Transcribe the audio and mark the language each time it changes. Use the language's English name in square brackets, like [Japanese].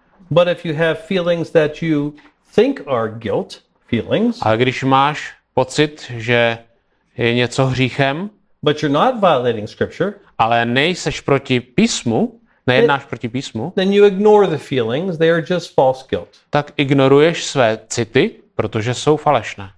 [English] But if you have feelings that you think are guilt feelings, [Czech] ale když máš pocit, že je něco hříchem, [English] but you're not violating Scripture, [Czech] ale nejseš proti písmu, nejednáš proti písmu, [English] then you ignore the feelings, they are just false guilt. [Czech] Tak ignoruješ své city, protože jsou falešné.